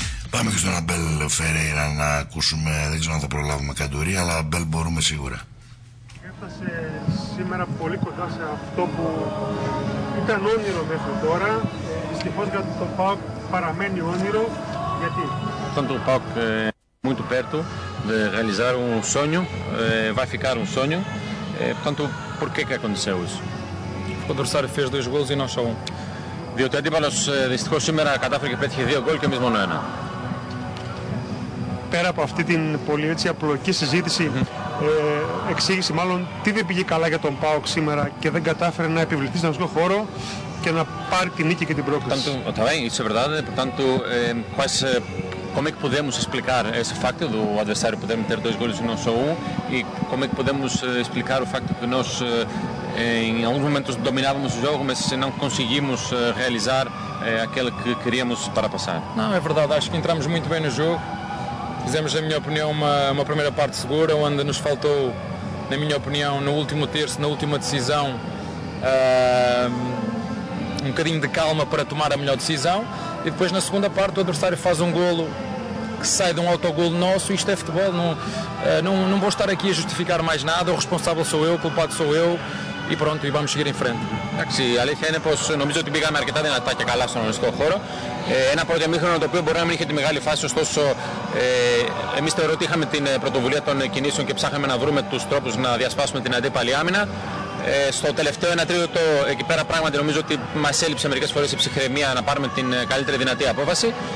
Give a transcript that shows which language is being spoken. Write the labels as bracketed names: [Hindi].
[Greek] Πάμε και στον Αμπέλ Φερέιρα να ακούσουμε. Δεν ξέρω αν θα προλάβουμε Καντουρί, αλλά Αμπέλ μπορούμε σίγουρα. Έφτασε σήμερα πολύ κοντά σε αυτό που ήταν όνειρο μέχρι τώρα. Δυστυχώς για τον ΠΑΟΚ παραμένει όνειρο. Γιατί? Ήταν το ΠΑΟΚ [Portuguese] muito perto de realizar um sonho, vai ficar um sonho. Portanto, por que aconteceu isso? O Dorsari fez dois gols e não só um. [Greek] Διότι ο αντίπαλος δυστυχώς σήμερα κατάφερε και πέτυχε δύο γκολ και εμείς μόνο ένα. Πέρα από αυτή την πολύ έτσι απλοϊκή συζήτηση, εξήγηση μάλλον, τι δεν πήγε καλά για τον ΠΑΟΚ σήμερα και δεν κατάφερε να επιβληθεί στον χώρο και να πάρει την νίκη και την πρόκληση. [Portuguese] Portanto, está bem, isso é verdade. Portanto, quais, como é que podemos explicar esse facto do adversário poder meter dois gols e não só um, e como é que podemos explicar o facto que nós em alguns momentos dominávamos o jogo, mas não conseguimos realizar aquele que queríamos para passar? Não, é verdade, acho que entramos muito bem no jogo. Fizemos, na minha opinião, uma primeira parte segura, onde nos faltou, na minha opinião, no último terço, na última decisão, um bocadinho de calma para tomar a melhor decisão. E depois, na segunda parte, o adversário faz um golo que sai de um autogolo nosso. Isto é futebol, não vou estar aqui a justificar mais nada. O responsável sou eu, o culpado sou eu. [Greek] Ή πρώτο, είπαμε σιγά την φρέντ. Εντάξει, η αλήθεια είναι πως νομίζω ότι πήγαμε αρκετά δυνατά και καλά στον αγωνιστικό χώρο. Ένα πρώτο ημίχρονο το οποίο μπορεί να μην είχε τη μεγάλη φάση, ωστόσο εμείς θεωρώ ότι είχαμε την πρωτοβουλία των κινήσεων και ψάχαμε να βρούμε τους τρόπους να διασπάσουμε την αντίπαλη άμυνα. Στο τελευταίο ένα τρίτο, εκεί πέρα πράγματι νομίζω ότι μας έλειψε μερικές φορές η ψυχραιμία να πάρουμε την καλύτερη δυνατή απόφαση.